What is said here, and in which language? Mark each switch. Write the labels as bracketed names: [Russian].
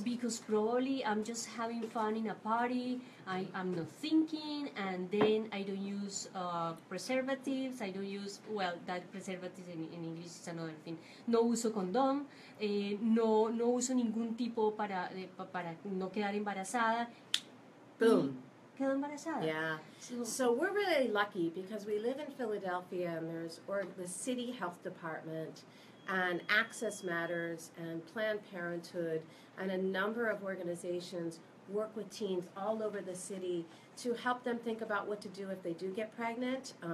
[English] Because probably I'm just having fun in a party, I'm not thinking, and then I don't use preservatives, I don't use, well, that preservatives in English is another thing. [Spanish] No uso condón, no uso ningún tipo para no quedar embarazada. Boom. Quedo embarazada. [English] Yeah. So we're really lucky because we live in Philadelphia, and there's the city health department and Access Matters and Planned Parenthood and a number of organizations work with teens all over the city to help them think about what to do if they do get pregnant.